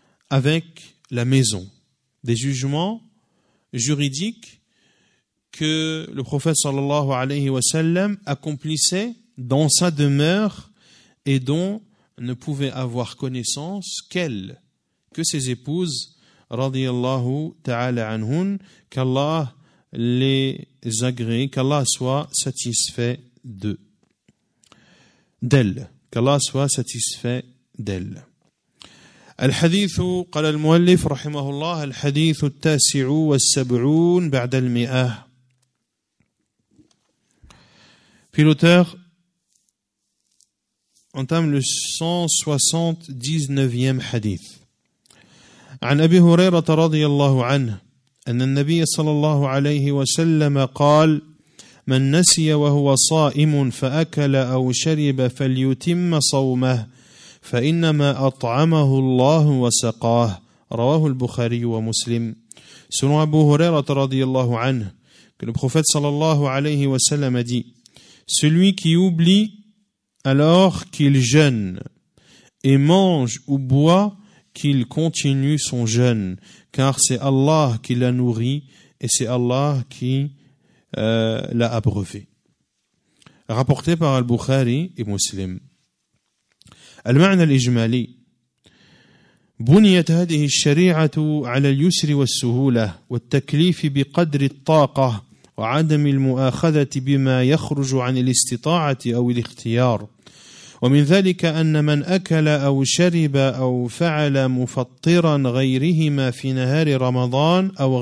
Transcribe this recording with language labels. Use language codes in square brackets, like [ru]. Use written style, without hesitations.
[fr] avec la maison, des jugements juridiques que le prophète sallallahu alayhi wa sallam accomplissait dans sa demeure et dont ne pouvait avoir connaissance qu'elle, que ses épouses, [ar] radiyallahu ta'ala anhun, [fr] qu'Allah les agrée, qu'Allah soit satisfait d'elle, qu'Allah soit satisfait d'elle. [ar] الحديث قال المؤلف رحمه الله الحديث التاسع والسبعون بعد المئة. [fr] Puis l'auteur entame le 179e hadith. [ar] عن أبي هريرة رضي الله عنه أن النبي صلى الله عليه وسلم قال من نسي وهو صائم فأكل أو شرب فليتم صومه فإنما أطعمه الله وسقاه رواه البخاري ومسلم. [fr] Selon Abu Huraira [ar] رضي الله عنه, [fr] que le prophète [ar] صلى الله عليه وسلم [fr] a dit, celui qui oublie alors qu'il jeûne et mange ou boit qu'il continue son jeûne, car c'est Allah qui l'a nourri et c'est Allah qui l'a abreuvé. Rapporté par Al-Bukhari et Muslim. [ar] المعنى الإجمالي بنيت هذه الشريعة على اليسر والسهولة والتكليف بقدر الطاقة وعدم المؤاخذة بما يخرج عن الاستطاعة أو الاختيار ومن ذلك أن من أكل أو شرب أو فعل مفطرا غيرهما في نهار رمضان